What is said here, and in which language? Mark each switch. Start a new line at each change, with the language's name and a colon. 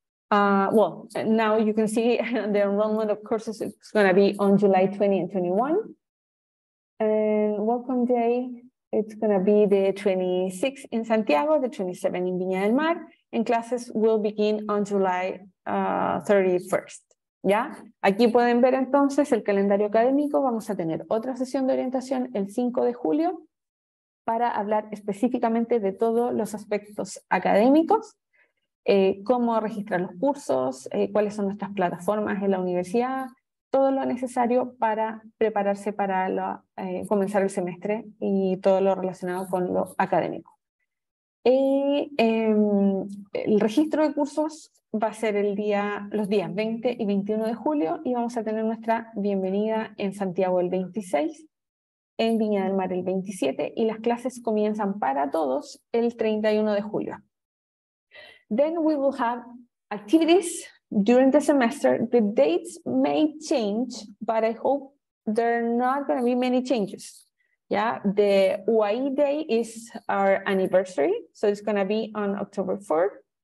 English: Well, now you can see the enrollment of courses is gonna be on July 20 and 21. And welcome day, it's going to be the 26th in Santiago, the 27th in Viña del Mar, and classes will begin on July 31st.
Spanish: ¿Ya? Aquí pueden ver entonces el calendario académico. Vamos a tener otra sesión de orientación el 5 de julio para hablar específicamente de todos los aspectos académicos, cómo registrar los cursos, cuáles son nuestras plataformas en la universidad, todo lo necesario para prepararse para comenzar el semestre y todo lo relacionado con lo académico. El registro de cursos va a ser los días 20 y 21 de julio y vamos a tener nuestra bienvenida en Santiago el 26, en Viña del Mar el 27 y las clases comienzan para todos el 31 de julio.
English: Then we will have activities during the semester. The dates may change, but I hope there are not going to be many changes. Yeah, the UAE day is our anniversary, so it's going to be on October 4th.